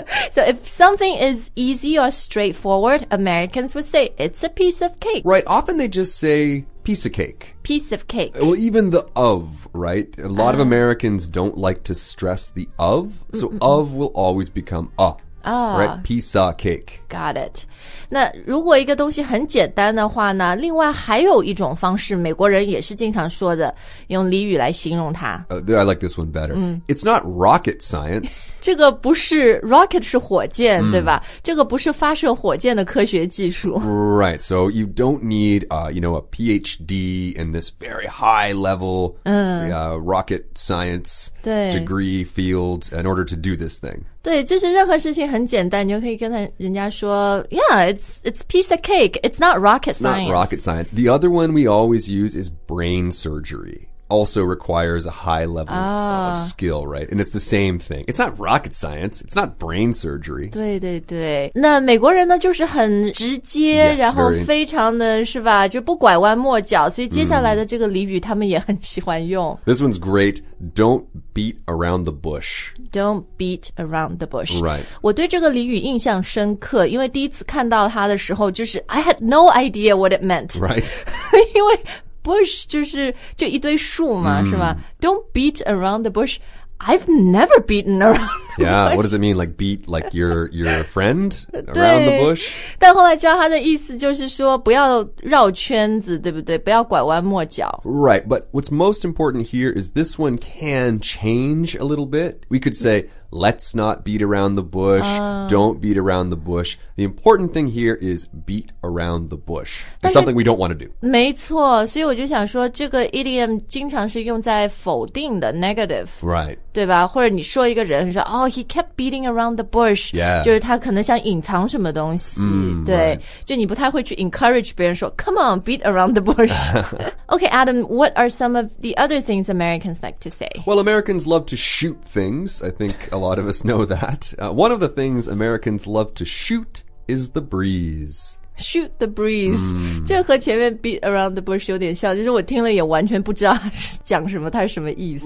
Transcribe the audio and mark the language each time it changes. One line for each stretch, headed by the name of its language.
English: So if something is easy or straightforward, Americans would say it's a piece of cake. Right, often they just say piece of cake. Piece of cake. Well, even the of, right? A lot of Americans don't like to stress the of, so of will always become a. Right, pizza cake. Got it.
Chinese: 那如果一个东西很简单的话呢，另外还有一种方式，美国人也是经常说的，用俚语来形容它。
English: I like this one better. It's not rocket science.
Chinese: 这个不是 rocket 是火箭，对吧？这个不是发射火箭的科学技术。
English: Right, so you don't need, a PhD in this very high level rocket science degree field in order to do this thing.
Chinese: 对，就是任何事情很简单，你就可以跟人家说 ，
English: Yeah, it's piece of cake. It's not rocket science. It's not rocket science. The other one we always use is brain surgery. Also requires a high level of skill, right? And it's the same thing. It's not rocket science. It's not brain surgery.
Chinese: 对对对，那美国人呢，就是很直接，
English: yes,
Chinese: 然后非常的 是吧，就不拐弯抹角。所以接下来的这个俚语，他们也很喜欢用。
English: This one's great. Don't beat around the bush. Don't beat around the bush. Right.
Chinese: 我对这个俚语印象深刻，因为第一次看到它的时候，就是
English: I had no idea what it meant. Right.
Chinese: 因为 bush 就是就一堆树嘛，是吧？
English: Don't beat around the bush. I've never beaten around the bush. Yeah, what does it mean? Like beat like your friend around the bush?
Chinese: 但后来知道它的意思就是说不要绕圈子，对不对？不要拐弯抹角。
English: Right, but what's most important here is this one can change a little bit. We could say, let's not beat around the bush, don't beat around the bush. The important thing here is beat around the bush. It's something we don't want to do.
Chinese: 没错，所以我就想说这个 idiom 经常是用在否定的 negative.
English: Right.
Chinese: 对吧？或者你说一个人说哦 ，
English: he kept beating around the bush，
Chinese: 就是他可能想隐藏什么东西。对，
English: <right.
Chinese: S 1> 就你不太会去 encourage 别人说 ，
English: come on， beat around the bush。 Okay， Adam， what are some of the other things Americans like to say？ Well， Americans love to shoot things. I think a lot of us know that. One of the things Americans love to shoot is the breeze. Shoot the breeze.
Chinese: 这和前面 beat around the bush 有点像，就是我听了也完全不知道讲什么，它是什么意思。